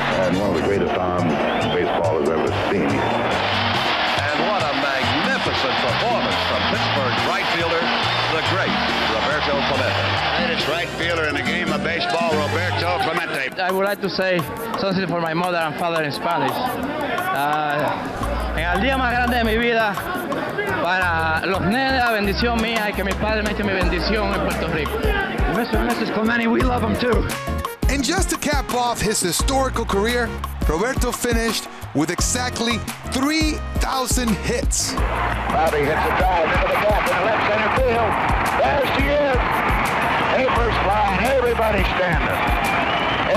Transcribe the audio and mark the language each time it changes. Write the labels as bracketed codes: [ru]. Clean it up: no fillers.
[en] And one of the greatest arms baseball has ever seen. And what a magnificent performance from Pittsburgh right fielder, the great Roberto Clemente. Greatest right fielder in the game of baseball, Roberto Clemente. I would like to say something for my mother and father in Spanish. [es] En el día más grande de mi vida, para los nenes, la bendición mía y que mi padre me eche mi bendición en Puerto Rico. [en] Mr. and Mrs. Clemente, we love them too. And just to cap off his historical career, Roberto finished with exactly 3,000 hits. Bobby hits a drive into the gap in the left center field. There she is. Papers flying, everybody standing.